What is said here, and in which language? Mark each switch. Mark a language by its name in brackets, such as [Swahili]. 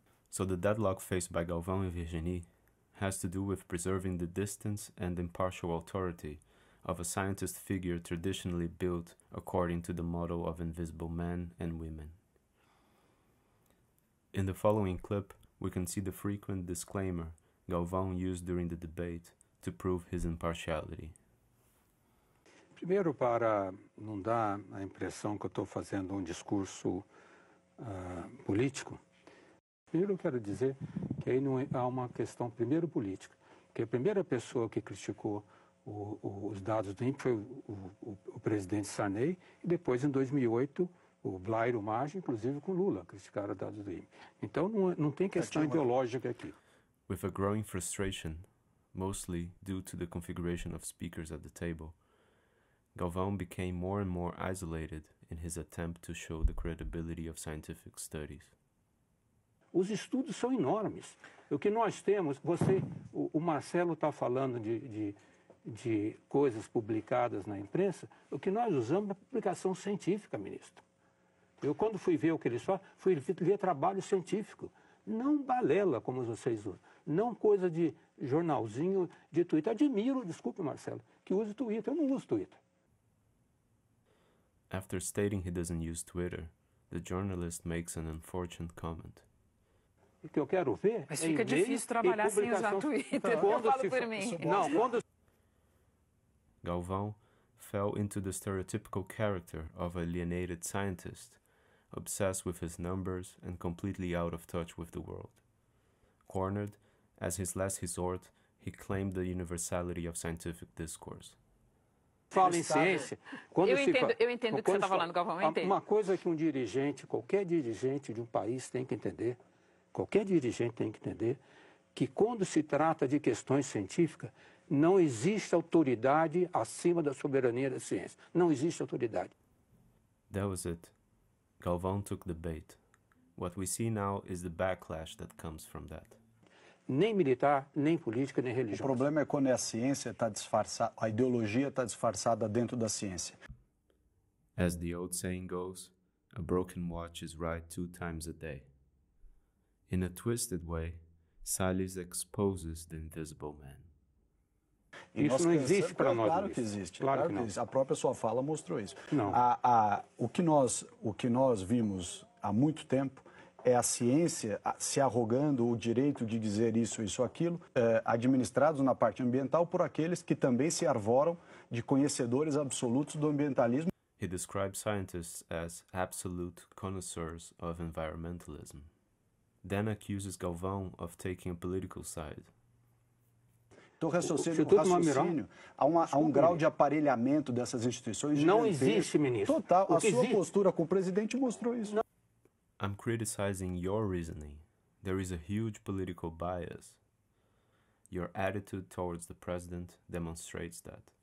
[English] So the deadlock faced by Galvão and Virginie has to do with preserving the distance and impartial authority of a scientist figure traditionally built according to the model of invisible men and women. In the following clip, we can see the frequent disclaimer Galvão used during the debate to prove his impartiality. [Portuguese] Primeiro, para não dar a impressão que eu estou fazendo discurso político, primeiro eu quero dizer que aí não há uma questão primeiro política, porque a primeira pessoa que criticou os dados do INPE foi o presidente Sarney e depois em 2008 o Blair, o Maggi, inclusive com Lula, criticaram dados do INPE. Então não tem questão ideológica aqui. [English] With a growing frustration, mostly due to the configuration of speakers at the table, Galvão became more and more isolated in his attempt to show the credibility of scientific studies. [Portuguese] Os estudos são enormes. O que nós temos, o Marcelo está falando de coisas publicadas na imprensa, o que nós usamos é publicação científica, ministro. Eu, quando fui ver o que ele só, fui ver trabalho científico, não balela, como vocês usam. Não coisa de jornalzinho, de Twitter. Admiro, desculpe, Marcelo, que use Twitter. Eu não uso Twitter. [English] After stating he doesn't use Twitter, the journalist makes an unfortunate comment. [Portuguese] O que eu quero ver... Mas fica difícil trabalhar sem usar Twitter. Quando eu falo por mim. Não, quando... [English] Galvão fell into the stereotypical character of an alienated scientist, obsessed with his numbers and completely out of touch with the world. Cornered, as his last resort, he claimed the universality of scientific discourse. [Portuguese] Fala em ciência. Eu entendo o que você está falando, Galvão. Uma coisa que qualquer dirigente de um país tem que entender, qualquer dirigente tem que entender, que quando se trata de questões científicas, não existe autoridade acima da soberania da ciência. Não existe autoridade. [English] That was it. Galvão took the bait. What we see now is the backlash that comes from that. [Portuguese] Nem militar, nem política, nem religião. O problema é quando a ciência está disfarçada, a ideologia está disfarçada dentro da ciência. [English] As the old saying goes, a broken watch is right two times a day. In a twisted way, Salles exposes the invisible man. [Portuguese] Isso não existe para nós. Claro que existe. Claro que existe. A própria sua fala mostrou isso. Não. O que nós vimos há muito tempo é a ciência se arrogando o direito de dizer isso, isso, aquilo, administrados na parte ambiental por aqueles que também se arvoram de conhecedores absolutos do ambientalismo. [English] He describes scientists as absolute connoisseurs of environmentalism. Then accuses Galvão of taking a political side. [Portuguese] Então, raciocínio, há um grau de aparelhamento dessas instituições. Não existe, ministro. Total, a sua postura com o presidente mostrou isso. [English] I'm criticizing your reasoning. There is a huge political bias. Your attitude towards the president demonstrates that.